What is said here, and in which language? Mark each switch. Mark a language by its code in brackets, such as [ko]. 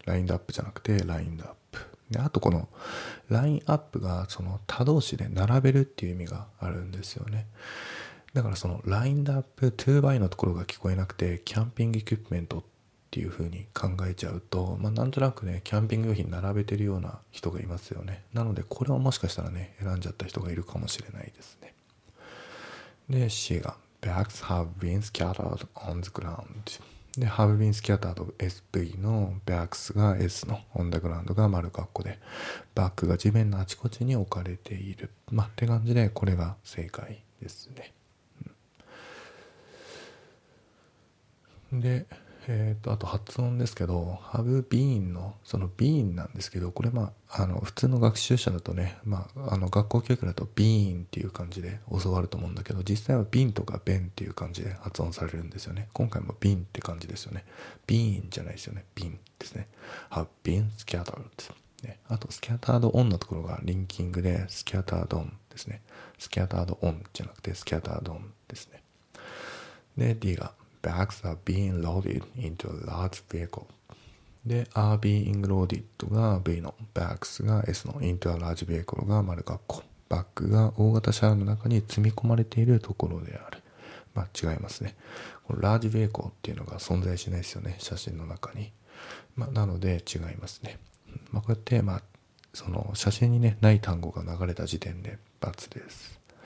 [ja] ラインドアップじゃなくてラインドアップ。で、あとこのラインアップがその他動詞で並べるっていう意味があるんですよね。だからそのラインドアップ to by のところが聞こえなくて、キャンピングエクイプメントっていう風に考えちゃうと、まあなんとなくね、キャンピング用品並べてるような人がいますよね。なのでこれをもしかしたらね、選んじゃった人がいるかもしれないですね。で、 C が [en] Bags have been scattered on the ground。 [ja] で、 [en] have been scattered [ja] SV の bags が S の [en] on the ground [ja] が丸括弧で、バッグが地面のあちこちに置かれている。まあ、って感じで、これが正解ですね。で、あと発音ですけど、 [en] have been [ja] の、その been なんですけど、これまあ、普通の学習者だとね、まあ、学校教育だと been っていう感じで教わると思うんだけど、実際は been とか been っていう感じで発音されるんですよね。今回も been って感じですよね。been じゃないですよね。been ですね。 [en] have been scattered、 [ja] ね。あと、 [en] scattered on [ja] のところがリンキングで、scattered on ですね。 [en] scattered on [ja] じゃなくて、scattered on ですね。で、D が、 [en] Bags are being loaded into a large vehicle. [ja] で、 [en] are being loaded [ja] が V の Bags が S の [en] into a large vehicle [ja] が丸括弧。バッグが大型車の中に積み込まれているところである。まあ違いますね。この [en] large vehicle [ja] っていうのが存在しないですよね。写真の中に。まあなので違いますね。まあこうやって、まあその写真にね、ない単語が流れた時点で×です。